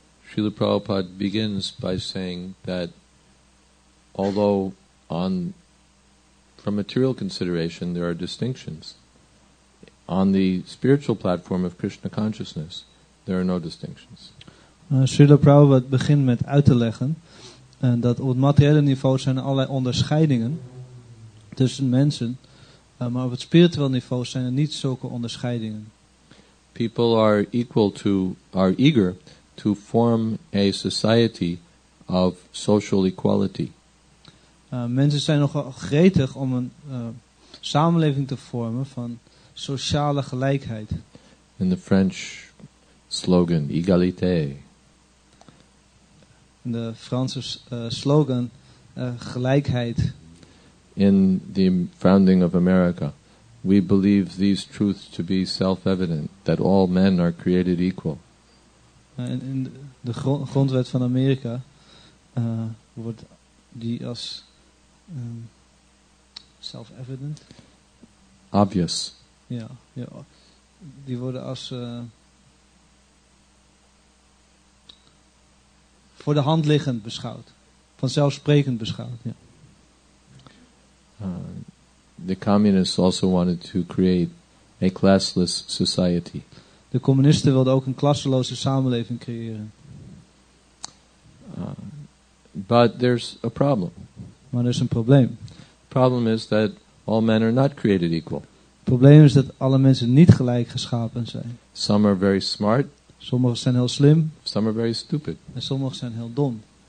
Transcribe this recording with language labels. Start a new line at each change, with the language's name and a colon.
English: Srila Prabhupada begins by saying that although on from material consideration, there are distinctions. On the spiritual platform of Krishna consciousness, there are no distinctions.
Dutch: Srila Prabhupada begint met uit te leggen dat op het materiële niveau zijn allerlei onderscheidingen tussen mensen, maar op het spiritueel niveau zijn er niet zulke onderscheidingen.
English: People are equal to, are eager to form a society of social equality.
Dutch: Mensen zijn nogal gretig om een samenleving te vormen van sociale gelijkheid.
English: In the French slogan, égalité.
Dutch: In de Franse slogan, gelijkheid.
English: In the founding of America, we believe these truths to be self-evident, that all men are created equal.
Dutch: In de grondwet van Amerika wordt die als self-evident.
English: Obvious.
Dutch: Ja, ja. Die worden als voor de hand liggend beschouwd. Vanzelfsprekend beschouwd, ja.
English: The communists also wanted to create a classless society.
Dutch: De communisten wilden ook een klasseloze samenleving creëren.
English: But there's a problem.
Dutch: Maar er is een probleem.
English: Problem is that all men are not created equal.
Dutch: Probleem is dat alle mensen niet gelijk geschapen zijn.
English: Some are very smart.
Dutch: Sommigen zijn heel slim.
English: Some are very stupid.
Dutch: En sommigen zijn heel dom.